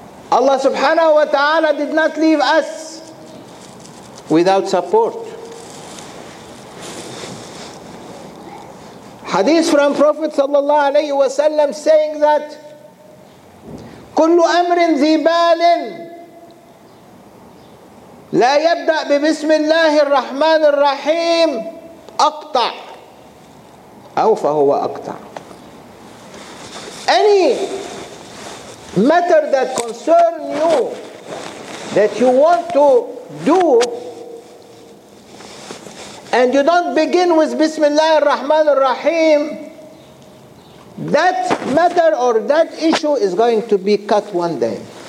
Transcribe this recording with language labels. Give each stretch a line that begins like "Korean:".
English: Allah subhanahu wa ta'ala did not leave us without support. Hadith from Prophet sallallahu alayhi wa sallam saying that
Arabic: كل أمر ذي بال لا يبدأ ببسم الله الرحمن الرحيم أقطع أو فهو أقطع.
English: Any matter that concern you that you want to do and you don't begin with Bismillah ar-Rahman ar-Rahim, that matter or that issue is going to be cut one day.